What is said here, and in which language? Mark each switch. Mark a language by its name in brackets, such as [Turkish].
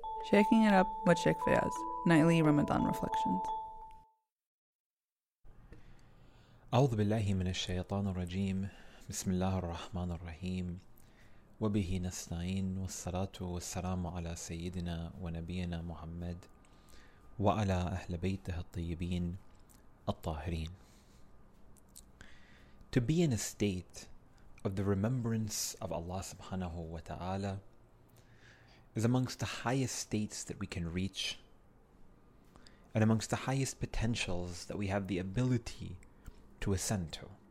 [English] Shaking it up with Sheikh Fayaz, nightly Ramadan reflections. [Arabic] أعوذ بالله من الشيطان الرجيم بسم الله الرحمن الرحيم وبه نستعين والصلاة والسلام على سيدنا ونبينا محمد وعلى أهل بيته الطيبين الطاهرين. [English] To be in a state of the remembrance of Allah subhanahu wa ta'ala is amongst the highest states that we can reach and amongst the highest potentials that we have the ability to ascend to.